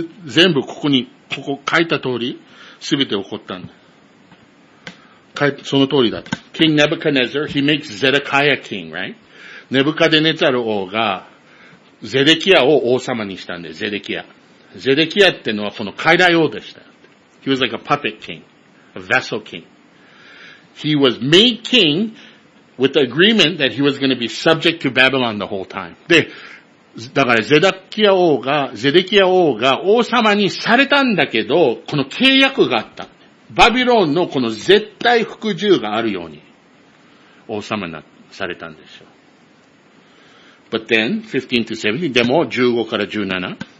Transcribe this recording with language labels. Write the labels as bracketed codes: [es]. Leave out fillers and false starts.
[ja] 全部ここに、ここ書いた通り、すべて起こったんだ。その通りだった。 [en] King Nebuchadnezzar, he makes Zedekiah king, right? [ja] ネブカデネザル王が、ゼデキアを王様にしたんで、ゼデキア。ゼデキアってのはこの傀儡王でした。 [en] He was like a puppet king, a vassal king. He was made king with the agreement that he was going to be subject to Babylon the whole time. [ja] で、だからゼデキア王が王様にされたんだけど、この契約があった。バビロンのこの絶対服従があるように王様になされたんでしょう。 [en] But then, 15 to 17, [ja] でも15から17。